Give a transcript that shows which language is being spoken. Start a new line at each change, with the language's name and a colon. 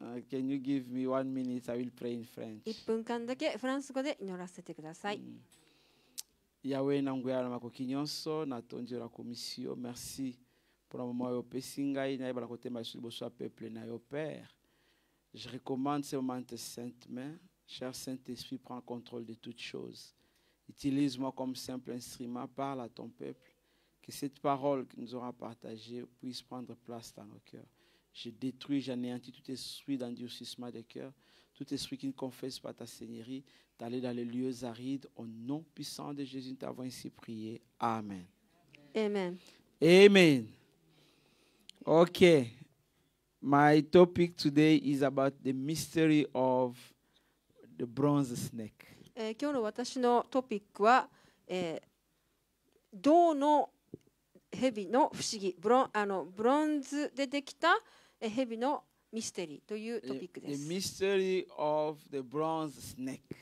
English: can you give me 1 minute? I will pray in French.
Japanese: 1分間だけフランス語で祈らせてください。
Lingala: Yahweh, nanguera makokinyonso na tondira komisio.
French: Merci pour le moment
Lingala: yo pesinga ina ba kote ma sulbo swa peuple na yo père.
French: Je recommande ce moment de sainte main. Cher Saint-Esprit, prends contrôle de toutes choses. Utilise-moi comme simple instrument. Parle à ton peuple. Que cette parole que nous aurons partagée puisse prendre place dans nos cœurs. Je détruis, j'anéantis tout esprit d'endurcissement des cœurs, tout esprit qui ne confesse pas ta Seigneurie, d'aller dans les lieux arides. Au nom puissant de Jésus, nous t'avons ainsi prié. Amen. Amen. Amen. OK.
English: My topic today is about the mystery of the bronze snake.
Japanese: 今日の私のトピックは、銅の蛇の不思議、ブロンズでできた蛇のミステリーというトピックです。
English: The mystery of the bronze snake.